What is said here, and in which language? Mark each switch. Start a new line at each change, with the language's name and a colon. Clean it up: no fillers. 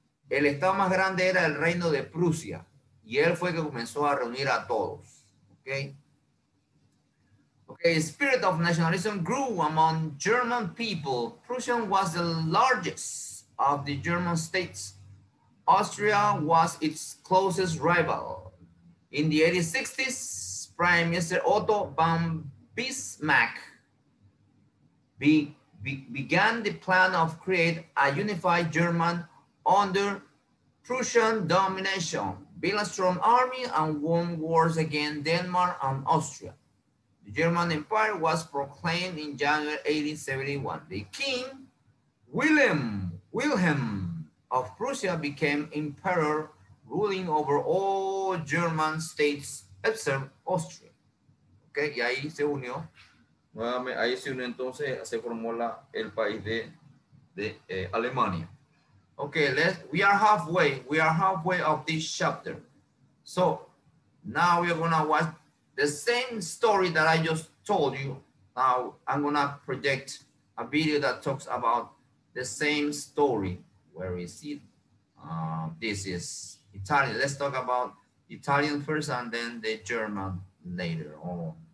Spanish: El estado más grande era el reino de Prusia, y él fue que comenzó a reunir a todos.
English: Okay, spirit of nationalism grew among German people. Prussia was the largest of the German states. Austria was its closest rival. In the 1860s, Prime Minister Otto von Bismarck began the plan of create a unified German under Prussian domination. Wilhelm's army and won wars against Denmark and Austria. The German Empire was proclaimed in January 1871. The King Wilhelm of Prussia became emperor, ruling over all German states except Austria.
Spanish: Okay, y ahí se unió. Nuevamente, ahí se unió entonces, se formó el país de Alemania.
English: Okay, we are halfway of this chapter. So now we are gonna watch the same story that I just told you. Now I'm gonna project a video that talks about the same story. Where is it? This is Italian. Let's talk about Italian first and then the German later on.